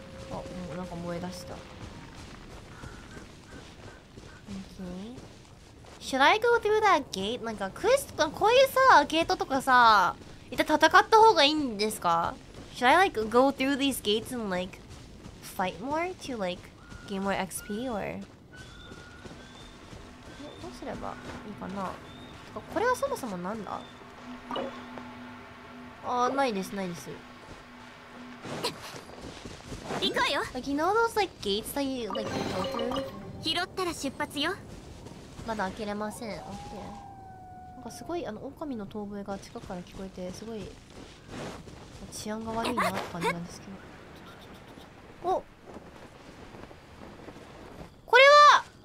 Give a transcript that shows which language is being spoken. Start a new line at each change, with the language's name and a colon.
Japanese: あ、もうなんか燃え出した。 OK。
English: Should I go through that gate?
Japanese: なんかクエスト、こういうさ、ゲートとかさ、一旦戦った方がいいんですか？
English: Should I like go through these gates and like fight more to like gain more XP or?
Japanese: どうすればいいかな？てかこれはそもそもなんだ？あ、ないです、ないです。行こうよ。
English: Like, you know those like gates that you like go through?
Japanese: 拾ったら出発よ。まだ開けれません。オッケー。なんかすごい、あの、狼の遠吠えが近くから聞こえて、すごい、治安が悪いなって感じなんですけど。お！これは！